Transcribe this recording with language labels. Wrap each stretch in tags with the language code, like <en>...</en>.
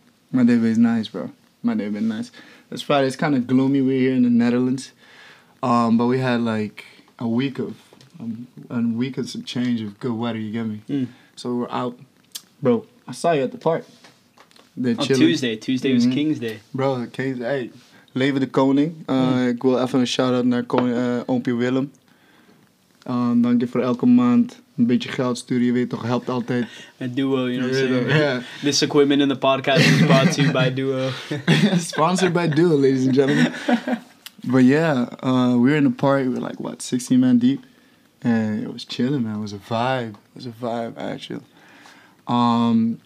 <en>My day was nice, bro. My day been nice. It's Friday. It's kind of gloomy. We're here in the Netherlands. But we had like a week of some change of good weather, you get me? Mm. So we're out. Bro, I saw you at the park. Tuesday mm-hmm. was King's Day. Bro, King's Day. Hey,</en> <nl>Leve de Koning. Ik wil even een shout-out naar Oompie Willem. Dank je voor elke maand. Een beetje geld sturen, je weet toch, helpt altijd. Een duo,</nl> <en>you know what I'm saying? Yeah. This equipment in the podcast is brought to you by Duo. Sponsored by Duo, ladies and gentlemen. But yeah, we were in the park. We were like, 16 men deep? And it was chilling, man. It was a vibe, actually.</en>